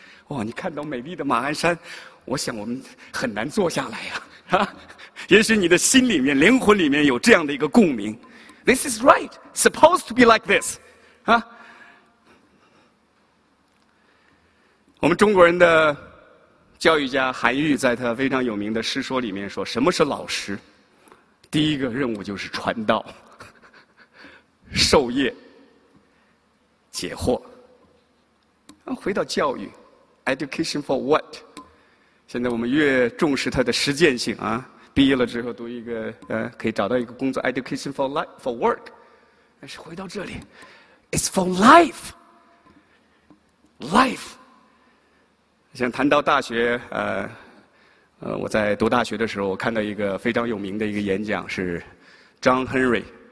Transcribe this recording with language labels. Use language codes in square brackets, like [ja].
[zh] 哇，你看到美丽的马鞍山，我想我们很难坐下来啊。也许你的心里面、灵魂里面有这样的一个共鸣。 [en] This is right, supposed to be like this. [zh] 我们中国人的教育家韩愈在他非常有名的诗说里面说，什么是老师？第一个任务就是传道。授业解惑回到教育 [en] education for what [zh] 现在我们越重视它的实践性毕业了之后读一个可以找到一个工作 [en] education for life for work [zh] 但是回到这里 [en] it's for life life [zh] 像谈到大学我在读大学的时候我看到一个非常有名的一个演讲是 John Henry